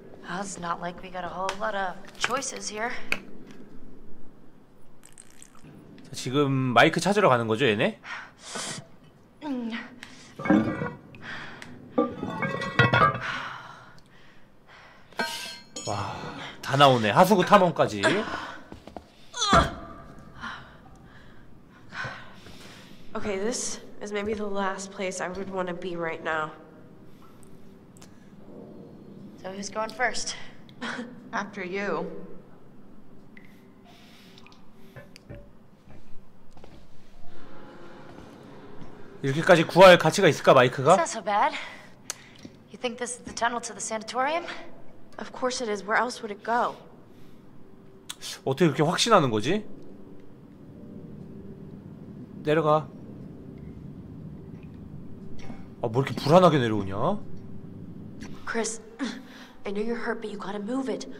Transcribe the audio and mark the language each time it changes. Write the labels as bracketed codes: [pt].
[en] It's not like we got a whole lot of choices here. [ko] 자, 지금 마이크 찾으러 가는 거죠, 얘네? 와, 다 나오네. 하수구 탐험까지. [en] 오케이, this is maybe the last place I would want to be right now. So who's going first? After you. [ko] 이렇게까지 구할 가치가 있을까, 마이크가? [en] It's not so bad. You think this is the tunnel to the sanatorium? Of course it is. Where else would it go? [ko] 어떻게 그렇게 확신하는 거지? 내려가. 아, 뭐 이렇게 불안하게 내려오냐? [en] Chris, I know you're hurt, but you gotta move it.